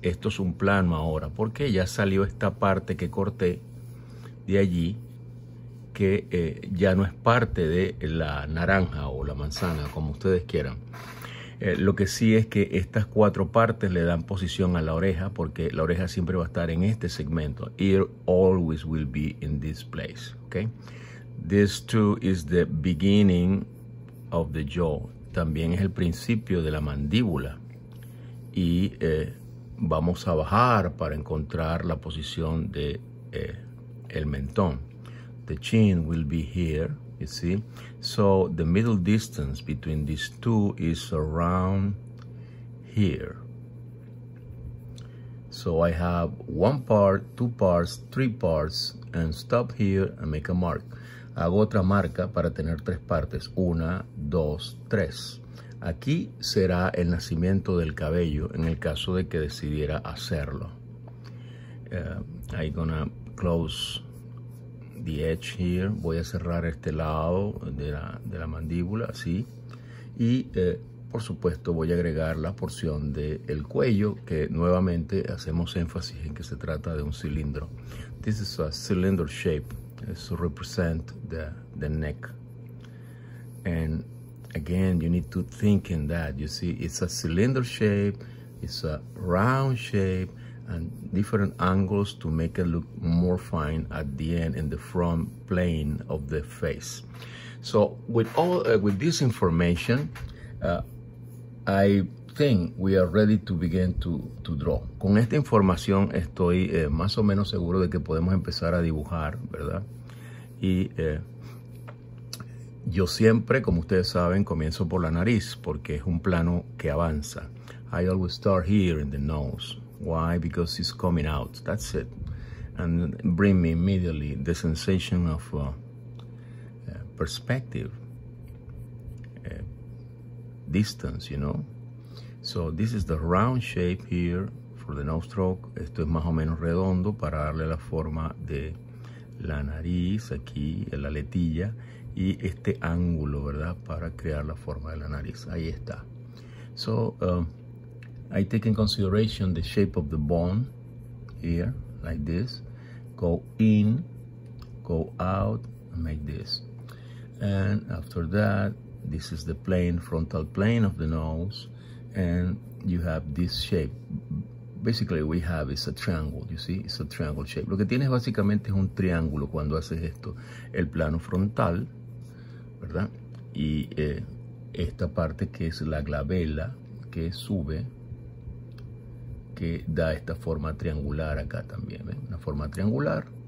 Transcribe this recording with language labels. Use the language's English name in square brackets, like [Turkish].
[Spanish] Esto es un plano ahora, porque ya salió esta parte que corté de allí, que ya no es parte de la naranja o la manzana, como ustedes quieran. Lo que sí es que estas 4 partes le dan posición a la oreja, porque la oreja siempre va a estar en este segmento. [English] Ear always will be in this place. Okay? This too is the beginning of the jaw. [Spanish] También es el principio de la mandíbula. Y vamos a bajar para encontrar la posición de el mentón. [English] The chin will be here, you see. So the middle distance between these two is around here. So I have 1 part, 2 parts, 3 parts, and stop here and make a mark. [Spanish] Hago otra marca para tener 3 partes. 1, 2, 3. Aquí será el nacimiento del cabello en el caso de que decidiera hacerlo. [English] I'm gonna close the edge here, [Spanish] voy a cerrar este lado de la mandíbula, así, y por supuesto voy a agregar la porción del cuello, que nuevamente hacemos énfasis en que se trata de un cilindro. [English] This is a cylinder shape, it's to represent the neck. And again, you need to think in that, you see, it's a cylinder shape, it's a round shape, and different angles to make it look more fine at the end in the front plane of the face. So with all with this information, I think we are ready to begin to draw. [Spanish] Con esta información estoy más o menos seguro de que podemos empezar a dibujar, ¿verdad? Y yo siempre, como ustedes saben, comienzo por la nariz porque es un plano que avanza. [English] I always start here in the nose. Why? Because it's coming out. That's it. And bring me immediately the sensation of perspective. distance, you know. So this is the round shape here for the nose stroke. [Spanish] Esto es más o menos redondo para darle la forma de la nariz aquí, en la aletilla, y este ángulo, ¿verdad?, para crear la forma de la nariz. Ahí está. [English] So I take in consideration the shape of the bone here, like this. Go in, go out, and make this. And after that, this is the plane, frontal plane of the nose, and you have this shape. Basically, we have is a triangle, you see? It's a triangle shape. [Spanish] Lo que tienes básicamente es un triángulo cuando haces esto. El plano frontal, ¿verdad? Y esta parte que es la glabela que sube, que da esta forma triangular acá también, ¿ven? Una forma triangular.